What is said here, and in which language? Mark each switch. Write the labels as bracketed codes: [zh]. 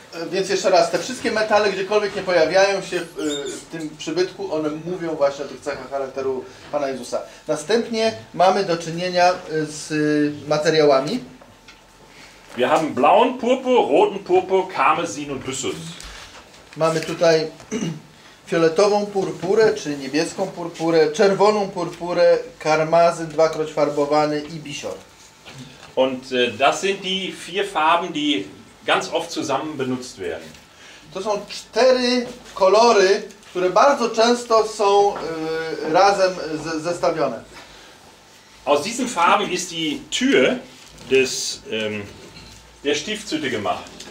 [pl] Więc jeszcze raz, te wszystkie metale, gdziekolwiek nie pojawiają się w tym przybytku, one mówią właśnie o tych cechach charakteru Pana Jezusa. Następnie mamy do czynienia z materiałami. [de] Wir haben blauen Purpur, roten Purpur, Karmesin und Byssus. [pl] Mamy tutaj fioletową purpurę, czy niebieską purpurę, czerwoną purpurę, karmazyn dwakroć farbowany i bisior. [de] Und das sind die vier Farben, die ganz oft zusammen benutzt werden. [pl] To są cztery kolory, które bardzo często są razem zestawione. [de] Aus diesen Farben ist die Tür des der Stiftshütte gemacht.